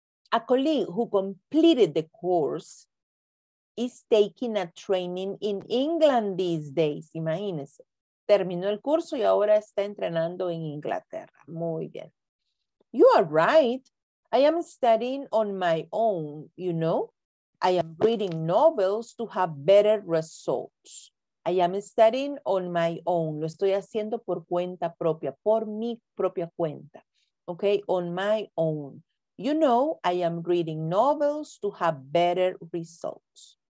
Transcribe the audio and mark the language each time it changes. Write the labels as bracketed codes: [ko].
[en] A colleague who completed the course is taking a training in England these days. [es] Imagínense. Terminó el curso y ahora está entrenando en Inglaterra. Muy bien. [en] You are right. I am studying on my own, you know. I am reading novels to have better results. I am studying on my own. [es] Lo estoy haciendo por cuenta propia, por mi propia cuenta. [en] Okay, on my own. You know, I am reading novels to have better results.